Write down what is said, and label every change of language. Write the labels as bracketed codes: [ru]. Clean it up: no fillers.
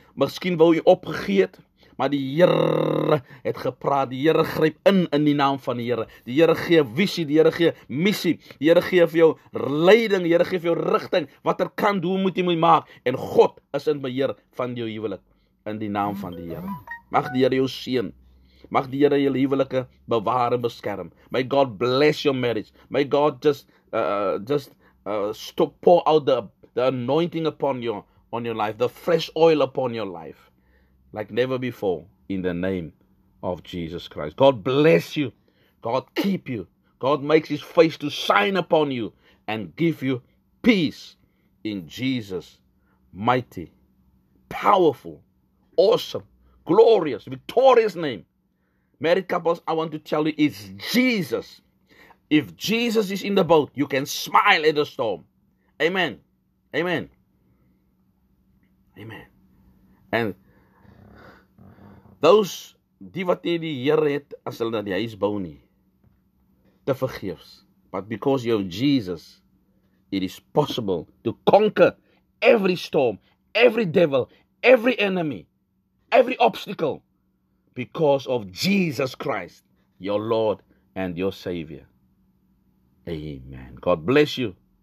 [af] Misschien wou u opgegeet, maar die Here het gepraat. Die Here gryp in die naam van die Here. Die Here gee visie, die Here gee missie. Die Here gee vir jou leiding, die Here gee vir jou rigting. Watter kant, hoe moet jy my maak? En God is in beheer van jou huwelik. In die naam van die Here. Mag die Here jou seën. Mag die Here jou huwelike bewaar en beskerm. [en] May God bless your marriage. May God just pour out the anointing upon you, on your life, the fresh oil upon your life, like never before, in the name of Jesus Christ. God bless you. God keep you. God makes his face to shine upon you and give you peace in Jesus' mighty, powerful, awesome, glorious, victorious name. Married couples, I want to tell you, it's Jesus. If Jesus is in the boat, you can smile at the storm. Amen. Amen. Amen. And those, [af] die wat nie die Here het, as hulle na die huis bou nie, te vergeefs. [en] But because you have Jesus, it is possible to conquer every storm, every devil, every enemy, every obstacle, because of Jesus Christ, your Lord and your Savior. Amen. God bless you.